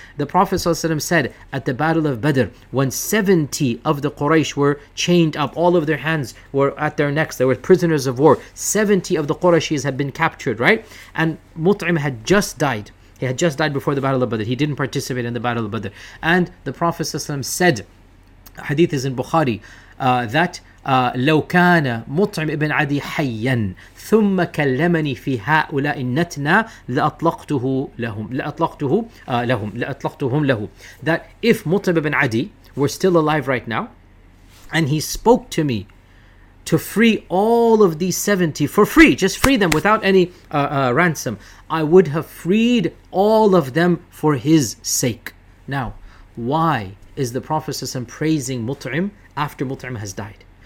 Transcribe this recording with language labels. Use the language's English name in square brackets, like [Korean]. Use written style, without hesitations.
[English] The Prophet sallallahu alaihi wasallam said at the Battle of Badr, when 70 of the Quraysh were chained up, all of their hands were at their necks, they were prisoners of war. 70 of the Qurayshis had been captured, right? And Mut'im had just died. He had just died before the Battle of Badr. He didn't participate in the Battle of Badr. And the Prophet ﷺ said, hadith is in Bukhari, that [Arabic] لو كان مطعم ابن عدي حيا ثم كلمني في هؤلاء النتنا لأطلقتهم له. [English] That if مطعم ابن عدي were still alive right now, and he spoke to me to free all of these 70 for free, just free them without any ransom, I would have freed all of them for his sake. Now, why is the Prophet ﷺ praising Mut'im after Mut'im has died?